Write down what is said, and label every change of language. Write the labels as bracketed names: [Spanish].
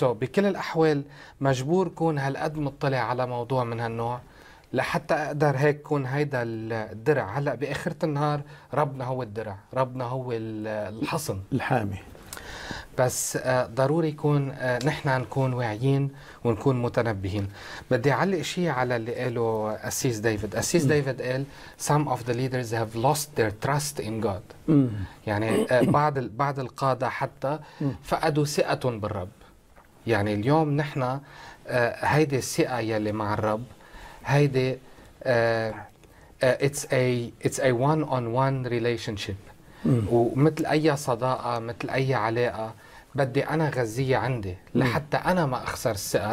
[Arabic] so بكل الأحوال مجبور كون هالقد مطلع على موضوع من هالنوع لحتى أقدر هيك كون هيدا الدرع. هلأ بآخرة النهار ربنا هو الدرع، ربنا هو الحصن الحامي، بس ضروري يكون نحن نكون واعيين ونكون متنبهين. بدي أعلق شيء على اللي قاله أسيس ديفيد. أسيس ديفيد قال [English] some of the leaders have lost their trust in God. [Arabic] يعني بعض القادة حتى فقدوا ثقة بالرب. يعني اليوم نحن هيدا الثقة يلي مع الرب هيدي [English] it's a one-on-one relationship. [Arabic] ومثل أي صداقة، مثل أي علاقة، بدي أنا غزية عندي لحتى أنا ما أخسر الثقة.